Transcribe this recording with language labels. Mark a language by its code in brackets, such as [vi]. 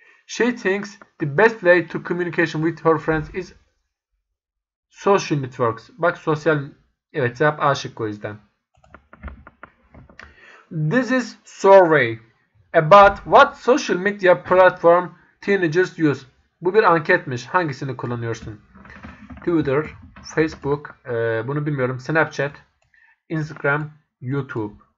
[en] She thinks the best way to communication with her friends is social networks. [tr] Bak sosyal, evet cevap A şıkkı o yüzden. [en] This is survey about what social media platform teenagers use. [tr] Bu bir anketmiş. Hangisini kullanıyorsun? Twitter, Facebook, bunu bilmiyorum. Snapchat, Instagram, YouTube.